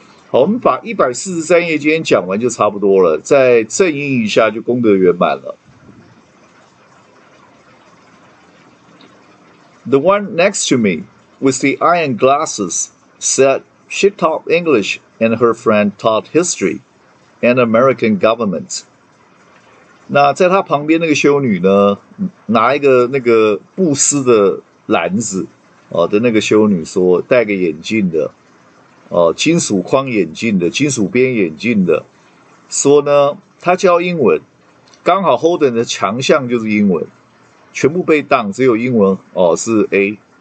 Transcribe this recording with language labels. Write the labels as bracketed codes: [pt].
[zh] 我们把143页今天讲完就差不多了，再正音一下就功德圆满了。 [en] The one next to me with the iron glasses said she taught English and her friend taught history and American government. [zh] 那在她旁边那个修女呢，拿一个那个布施的篮子，哦，的那个修女说，戴个眼镜的。哦，金属框眼镜的，金属边眼镜的，说呢，他教英文，刚好 Holden 的强项就是英文，全部被当，只有英文哦是 A。